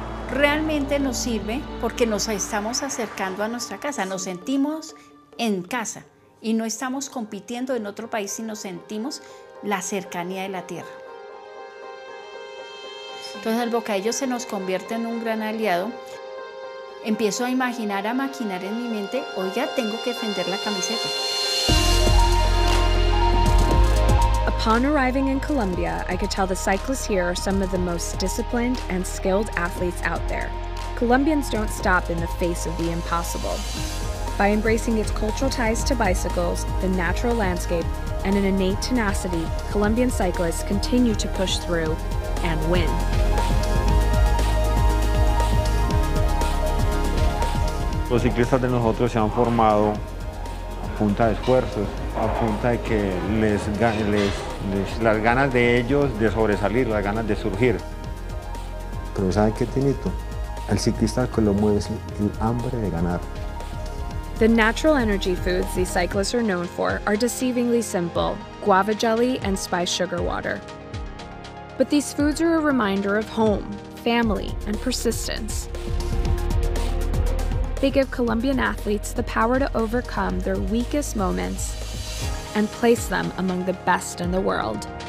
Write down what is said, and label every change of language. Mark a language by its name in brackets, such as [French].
[Spanish] Realmente nos sirve porque nos estamos acercando a nuestra casa, nos sentimos en casa y no estamos compitiendo en otro país, sino sentimos la cercanía de la tierra. Entonces el bocadillo se nos convierte en un gran aliado. Empiezo a imaginar, a maquinar en mi mente, oiga, tengo que defender la camiseta. [English] Upon arriving in Colombia, I could tell the cyclists here are some of the most disciplined and skilled athletes out there. Colombians don't stop in the face of the impossible. By embracing its cultural ties to bicycles, the natural landscape, and an innate tenacity, Colombian cyclists continue to push through and win. [Spanish] Los ciclistas de nosotros se han formado a punta de esfuerzos, a punta de que les las ganas de ellos de sobresalir, las ganas de surgir. Pero ¿saben qué, Tinito? El ciclista que lo mueve es el hambre de ganar. [English] The natural energy foods these cyclists are known for are deceivingly simple, guava jelly and spiced sugar water. But these foods are a reminder of home, family, and persistence. They give Colombian athletes the power to overcome their weakest moments and place them among the best in the world.